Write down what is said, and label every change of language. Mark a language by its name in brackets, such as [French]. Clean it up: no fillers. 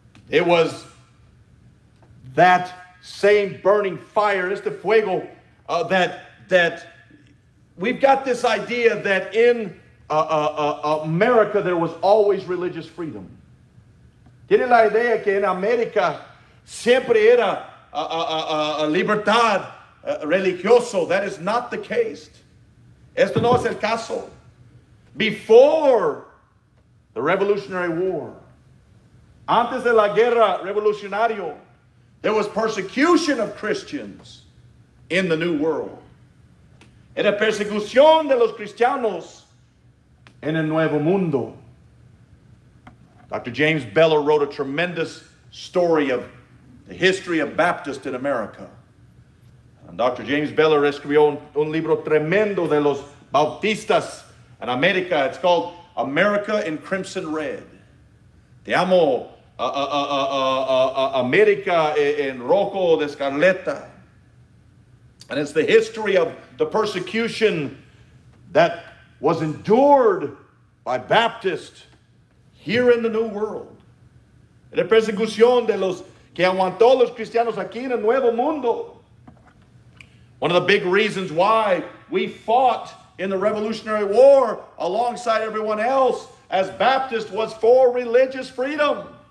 [English] It was that same burning fire, [Spanish] este fuego, [English] that we've got this idea that in America there was always religious freedom. [Spanish] Tiene la idea que en América siempre era libertad religioso. [English] That is not the case. [Spanish] Esto no es el caso. [English] Before the Revolutionary War, [Spanish] antes de la Guerra Revolucionaria, [English] there was persecution of Christians in the New World. [Spanish] Era persecución de los cristianos en el Nuevo Mundo. Dr. [English] James Beller wrote a tremendous story of the history of Baptists in America. And Dr. [Spanish] James Beller escribió un libro tremendo de los Bautistas in America. [English] It's called America in Crimson Red. [Spanish] Te amo America en rojo de escarleta. [English] And it's the history of the persecution that was endured by Baptists here in the New World. [Spanish] La persecución de los que aguantó los cristianos aquí en el Nuevo Mundo. [English] One of the big reasons why we fought in the Revolutionary War alongside everyone else as Baptist was for religious freedom.